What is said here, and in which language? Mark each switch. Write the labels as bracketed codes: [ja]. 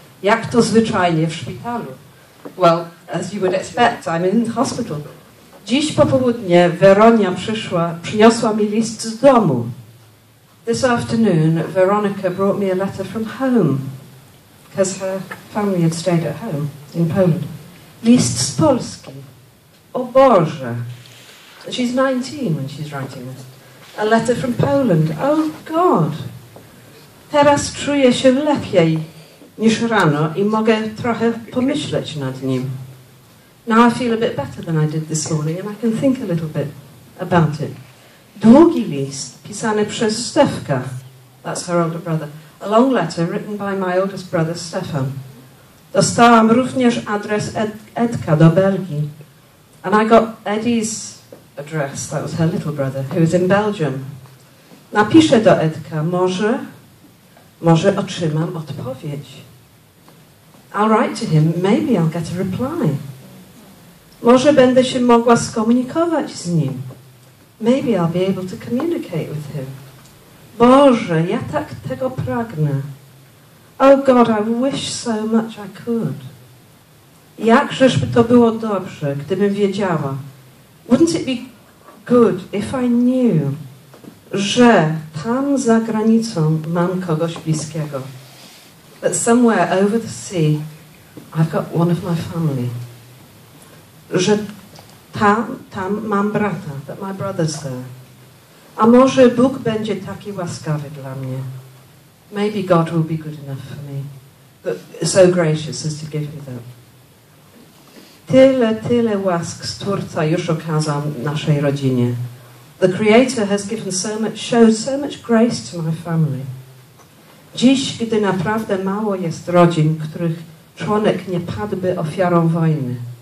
[pl] Jak to zwyczajnie w szpitalu? [en] Well, as you would expect, I'm in hospital. [pl] Dziś popołudnie Weronia przyniosła mi list z domu. [en] This afternoon, Veronica brought me a letter from home, because her family had stayed at home in Poland. [pl] List z Polski. O Boże. [en] She's 19 when she's writing this. A letter from Poland. Oh God. [pl] Teraz czuję się lepiej niż rano I mogę trochę pomyśleć nad nim. [en] Now I feel a bit better than I did this morning, and I can think a little bit about it. [pl] Długi list, pisany przez Stefka. [en] That's her older brother. A long letter written by my oldest brother, Stefan. [pl] Dostałam również adres Edka do Belgii. [en] And I got Eddie's address, that was her little brother, who was in Belgium. [pl] Napiszę do Edka, może otrzymam odpowiedź. [en] I'll write to him, maybe I'll get a reply. [pl] Może będę się mogła skomunikować z nim. [en] Maybe I'll be able to communicate with him. [pl] Boże, ja tak tego pragnę. [en] Oh God, I wish so much I could. [pl] Jakżeżby to było dobrze, gdybym wiedziała. [en] Wouldn't it be good if I knew, [pl] że tam za granicą mam kogoś bliskiego. [en] That somewhere over the sea, I've got one of my family. [pl] Że tam mam brata, [en] that my brother's there. [pl] A może Bóg będzie taki łaskawy dla mnie. [en] Maybe God will be good enough for me. But so gracious as to give me that. [pl] Tyle łask Stwórca już okazał naszej rodzinie. [en] The Creator has given so much, showed so much grace to my family. [pl] Dziś, gdy naprawdę mało jest rodzin, których członek nie padłby ofiarą wojny.